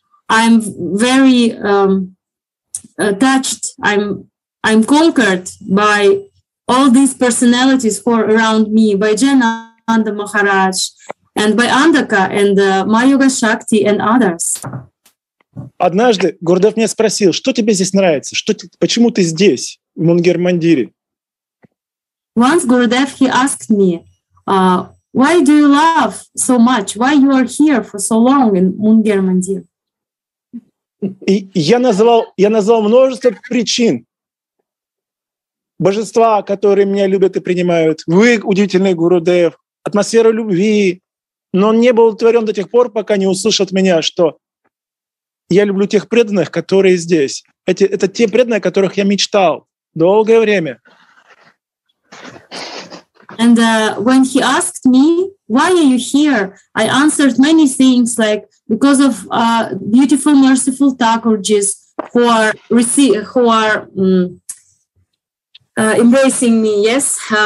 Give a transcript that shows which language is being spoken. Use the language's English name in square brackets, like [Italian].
[English] I'm very touched. I'm conquered by all these personalities who are around me, by Jayananda Maharaj, and by Andaka and Mayoga Shakti and others. [Russian] Однажды Гурудев меня спросил, что тебе здесь нравится, почему ты здесь, в Мунгер Мандире? [English] Once Gurudev he asked me, why do you love so much? Why you are here for so long in Munger Mandir? [Russian] Я назвал множество причин. Божества, которые меня любят и принимают. Вы удивительный Гурудев, атмосфера любви. Но он не был удовлетворен до тех пор, пока не услышал от меня, что я люблю тех преданных, которые здесь. Это те преданные, о которых я мечтал долгое время. [English] And when he asked me, why are you here? I answered many things, like, because of beautiful, merciful Thakurjis, who are embracing me, yes.